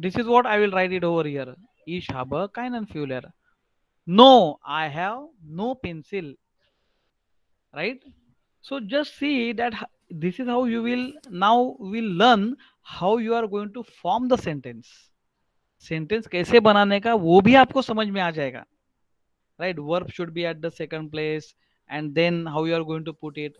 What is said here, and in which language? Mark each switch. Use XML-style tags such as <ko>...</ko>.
<en>This is what I will write it over here.</en> <de>Ich habe keinen Füller.</de> <en>No, I have no pencil. Right. So just see that this is how you will now will learn how you are going to form the sentence.</en> <hi>Sentence कैसे बनाने का वो भी आपको समझ में आ जाएगा.</hi> <en>Right. Verb should be at the second place, and then how you are going to put it.</en>